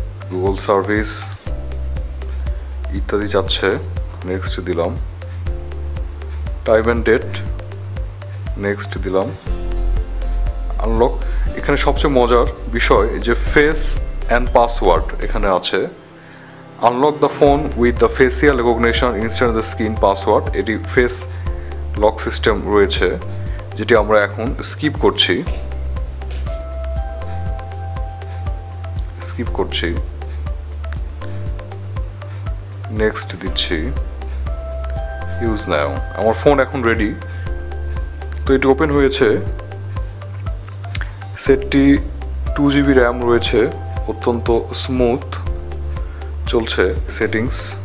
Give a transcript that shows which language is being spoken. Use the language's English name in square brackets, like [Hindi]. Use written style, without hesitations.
[Bangla] Google service ইত্যাদি যাচ্ছে, next দিলাম। টাইম অ্যান্ড ডেট, নেক্সট দিলাম। আনলক, এখানে সবচেয়ে মজার বিষয় যে ফেস অ্যান্ড পাসওয়ার্ড এখানে আছে, [English] Unlock the phone with the facial recognition instead of the skin password. [Bangla] এটি ফেস লক সিস্টেম রয়েছে যেটি আমরা এখন স্কিপ করছি স্কিপ করছি নেক্সট দিচ্ছি ইউজ নাও আমার ফোন এখন রেডি তো এটি ওপেন হয়েছে সেটটি 2GB RAM রয়েছে অত্যন্ত স্মুথ চলছে সেটিংস